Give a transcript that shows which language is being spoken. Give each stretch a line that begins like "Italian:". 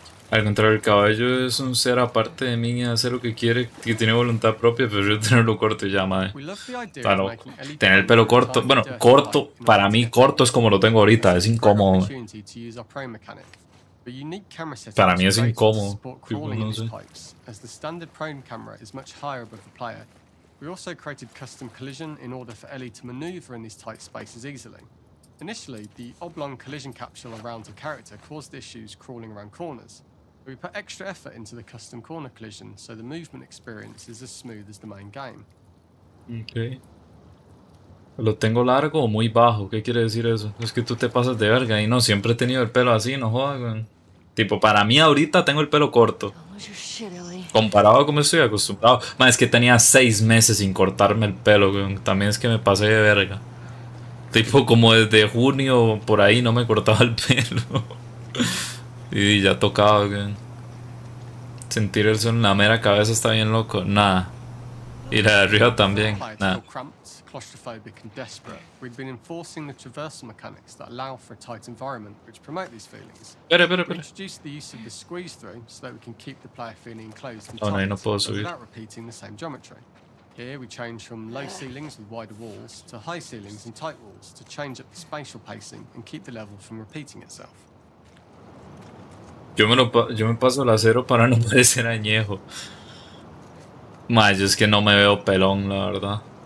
Spanish: Al contrario, el caballo es un ser aparte de mí, hace lo que quiere, que tiene voluntad propia, pero yo tenerlo corto ya, madre. Claro, tener el pelo corto, bueno, corto, para mí, corto es como lo tengo ahorita, es incómodo.
English: A unique camera setup
Spanish: para mí es incómodo.
English: Crawling in these pipes, as the standard prone camera is much higher above the player. We also created custom collision in order for Ellie to maneuver in these tight spaces easily. Initially, the oblong collision capsule around her character caused issues crawling around corners. We put extra effort into the custom corner collision so the movement experience is as smooth as the main game.
Spanish: Okay. ¿Lo tengo largo o muy bajo? ¿Qué quiere decir eso? Es que tú te pasas de verga y no, siempre he tenido el pelo así, no jodas, man. Tipo, para mí ahorita tengo el pelo corto. Comparado a cómo estoy acostumbrado. Man, es que tenía 6 meses sin cortarme el pelo, man. También es que me pasé de verga. Tipo, como desde junio por ahí no me cortaba el pelo. Y ya tocaba, man. Sentir el sol en la mera cabeza está bien loco. Nada. Y la de arriba también. Nada.
English: Claustrophobic and desperate, we've been enforcing the traversal mechanics that allow for a tight environment which promote these feelings.
Spanish: Pero.
English: We introduced the use of the squeeze through so that we can keep the player feeling enclosed and
Spanish: tight, no, no puedo
English: subir. Without repeating the same geometry. Here we change from low ceilings with wider walls to high ceilings and tight walls to change up the spatial pacing and keep the level from repeating itself.
Spanish: Yo me paso el acero para no parecer añejo. Mayo, es que no me veo pelón, la verdad.